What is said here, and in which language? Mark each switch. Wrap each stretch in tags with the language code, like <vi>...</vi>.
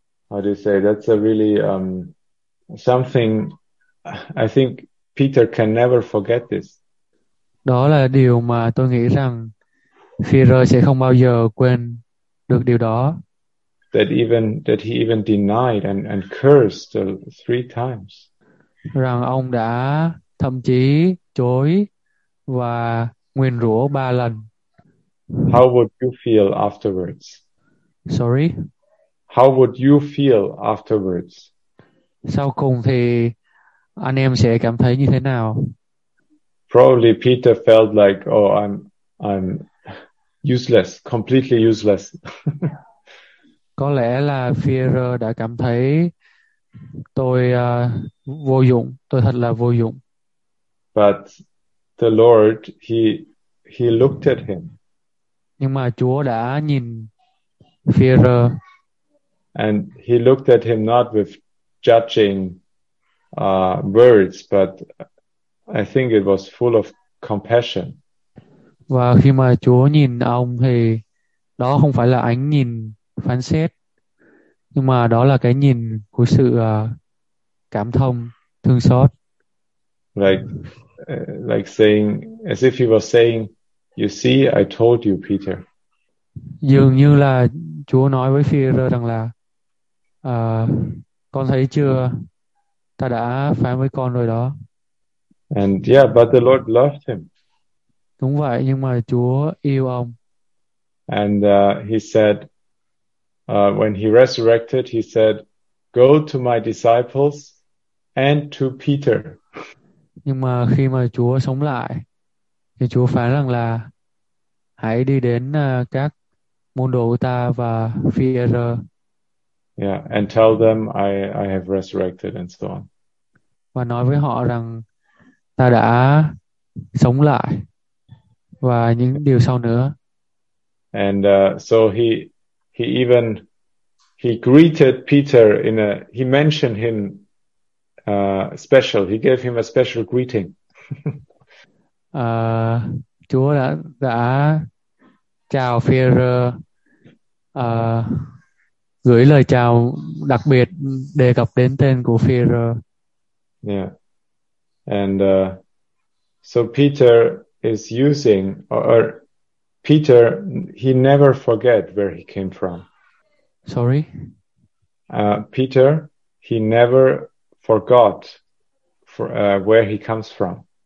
<en>That's a really something I think Peter can never forget this.</en> <vi>Đó là điều mà tôi nghĩ rằng Peter sẽ không bao giờ quên được điều đó.</vi> <en>That he even denied and cursed 3 times.</en> <vi>Rằng ông đã thậm chí chối và nguyền rủa 3 lần.</vi> <en>How would you feel afterwards? Sorry? How would you feel afterwards?</en> <vi>Sau cùng thì anh em sẽ cảm thấy như thế nào?</vi> <en>Probably Peter felt like, oh, I'm useless, completely useless.</en> <vi>Có lẽ là Peter đã cảm thấy tôi vô dụng, tôi thật là vô dụng.</vi> <en>But the Lord, he looked at him.</en> <vi>Nhưng mà Chúa đã nhìn Peter.</vi> <en>And he looked at him not with judging words, but I think it was full of compassion.</en> <vi>Và khi mà Chúa nhìn ông thì đó không phải là ánh nhìn phán xét, nhưng mà đó là cái nhìn của sự cảm thông, thương xót.</vi> <en>Like saying, as if he was saying, you see, I told you, Peter.</en> <vi>Dường như là Chúa nói với Peter rằng là con thấy chưa, ta đã phán với con rồi đó.</vi> <en>And yeah, but the Lord loved him.</en> <vi>Đúng vậy, nhưng mà Chúa yêu ông.</vi> <en>And he said, when he resurrected, he said, go to my disciples and to Peter.</en> <vi>Nhưng mà khi mà Chúa sống lại, thì Chúa phán rằng là hãy đi đến các môn đồ của ta và Peter.</vi> <en>Yeah, and tell them I have resurrected and so on.</en> <vi>Và nói với họ rằng ta đã sống lại và những điều sau nữa.</vi> <en>And so he greeted Peter in a, he mentioned him special, he gave him a special greeting.</en> <vi>Chúa đã chào Peter, gửi lời chào đặc biệt, đề cập đến tên của Peter.</vi> <en>Yeah. And so Peter is using, or Peter, he never forget where he came from. Sorry? Peter, he never forgot for where he comes from.</en>